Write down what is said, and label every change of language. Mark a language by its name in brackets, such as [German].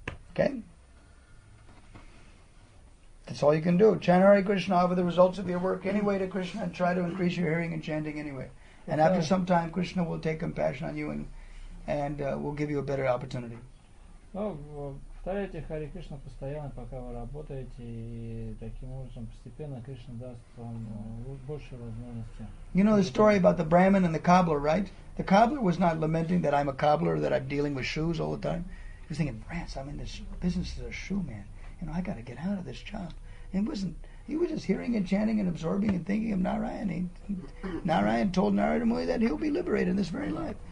[English] Okay? That's all you can do. Chant Hare Krishna, offer the results of your work anyway to Krishna and try to increase your hearing and chanting anyway. And after some time, Krishna will take compassion on you and will give you a better opportunity. [Russian] Повторяйте Хари Кришна постоянно, пока вы работаете, и таким образом постепенно Кришна даст вам больше возможности. [English] You know the story about the Brahmin and the cobbler, right? The cobbler was not lamenting that I'm a cobbler, that I'm dealing with shoes all the time. He was thinking, Rance, I'm in this business as a shoe man. You know, I got to get out of this job. And he was just hearing and chanting and absorbing and thinking of Narayan. Narayan told Narada Muni that he'll be liberated in this very life.